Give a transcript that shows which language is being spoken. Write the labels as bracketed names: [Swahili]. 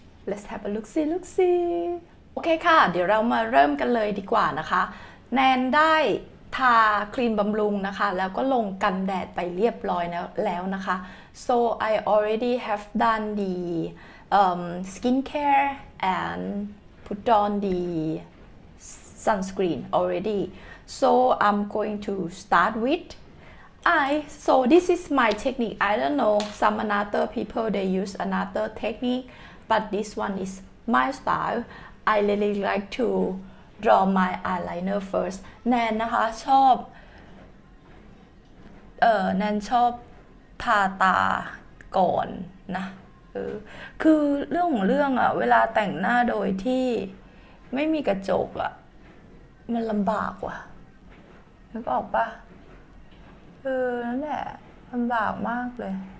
[English] Let's have a look see [Thai] โอเคค่ะเดี๋ยวเรามาเริ่มกันเลยดีกว่านะคะแนนได้ทาครีมบำรุงนะคะแล้วก็ลงกันแดดไปเรียบร้อยแล้วนะคะ [English] So I already have done the skincare and put on the sunscreen already. So I'm going to start with So this is my technique. I don't know some another people they use another technique, but this one is my style. I really like to draw my eyeliner first. [Thai] แนนนะคะชอบแนนชอบทาตาก่อนนะคือเรื่องของเรื่องอะเวลาแต่งหน้าโดยที่ไม่มีกระจกอะมันลำบากว่ะนึกออกปะนั่นแหละลำบากมากเลย